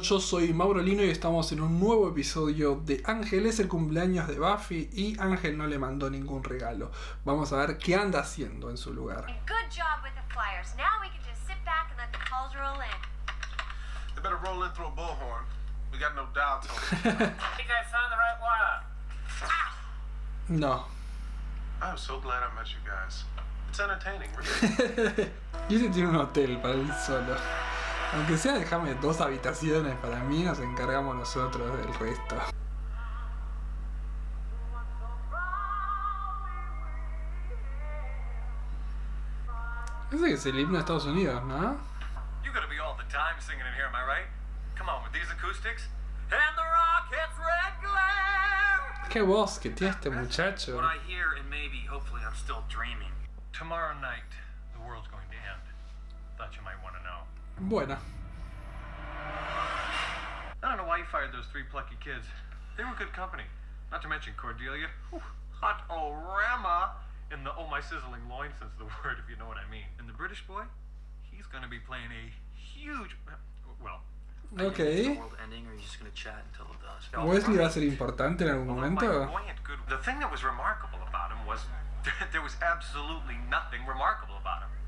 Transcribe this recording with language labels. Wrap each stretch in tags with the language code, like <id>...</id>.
<es>Yo soy Mauro Lino y estamos en un nuevo episodio de Ángel. Es el cumpleaños de Buffy y Ángel no le mandó ningún regalo. Vamos a ver qué anda haciendo en su lugar.</es> <en>Good job with the flyers. Now we can just sit back and let the calls roll in. They better roll in through a bullhorn. We got no dial tone. I think I found the right wire. No. I'm so glad I met you guys. It's entertaining, really.</en> <es>Y ese tiene un hotel para él solo. Aunque sea, déjame dos habitaciones para mí, nos encargamos nosotros del resto. Ese es el himno de Estados Unidos, ¿no?</es> <en>You gotta be all the time singing in here, am I right? Come on, with these acoustics. And the rocket's red glare.</en> <es>Qué voz que tiene este muchacho.</es> <en>What I hear and maybe, hopefully I'm still dreaming. Tomorrow night, the world's going to end. Thought you might want to know. Bueno. I don't know why you fired those three plucky kids. They were good company. Not to mention Cordelia. Hot O'Rama in the oh my sizzling loin sense of the word, if you know what I mean. And the British boy, he's gonna be playing a huge well. Okay.</en> <es>Wesley va a ser importante en algún momento.</es> <en>The thing that was remarkable about him was there was absolutely nothing remarkable about him.</en>